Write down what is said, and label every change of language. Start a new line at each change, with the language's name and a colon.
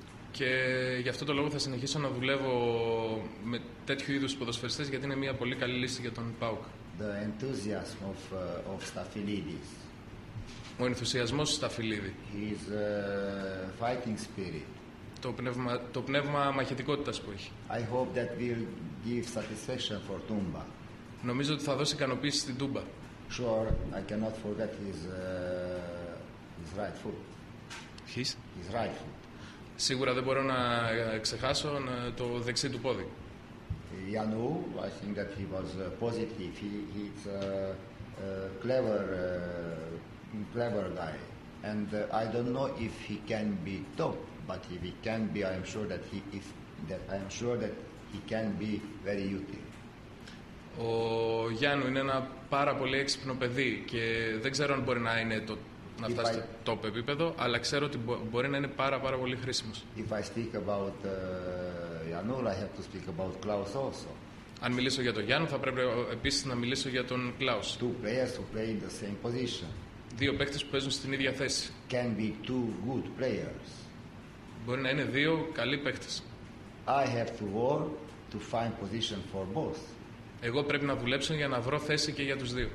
Greek: Και γι' αυτό το λόγο θα συνεχίσω να δουλεύω με τέτοιου είδους ποδοσφαιριστές, γιατί είναι μια πολύ καλή λύση για τον ΠΑΟΚ.
English: The enthusiasm of Stafilidis.
Greek: Ο ενθουσιασμός του Σταφυλίδη.
English: His fighting spirit.
Greek: Το πνεύμα μαχητικότητας που έχει.
English: I hope that will give satisfaction for Tumba.
Greek: Νομίζω ότι θα δώσει ικανοποίηση στην Τούμπα.
English: Sure, I cannot forget his right foot. His right foot.
Greek: Σίγουρα δεν μπορώ να ξεχάσω το δεξί του πόδι.
English: Janu, I think that he was positive. He's a clever guy. And I don't know if he can be top, but if he can be, I am sure that he can be very useful.
Greek: Ο Γιάννου είναι ένα πάρα πολύ έξυπνο παιδί και δεν ξέρω αν μπορεί να είναι το, να φτάσει στο top επίπεδο, αλλά ξέρω ότι μπορεί να είναι πάρα πάρα πολύ χρήσιμος.
English: If I speak about Janu, I have to speak about Klaus also.
Greek: Αν μιλήσω για τον Γιάννου, θα πρέπει επίσης να μιλήσω για τον Klaus.
English: Two players who play in the same position.
Greek: Δύο παίκτες που παίζουν στην ίδια θέση.
English: Can be two good players.
Greek: Μπορεί να είναι δύο καλοί παίκτες.
English: I have to work to find position for both.
Greek: Εγώ πρέπει να δουλέψω για να βρω θέση και για τους δύο.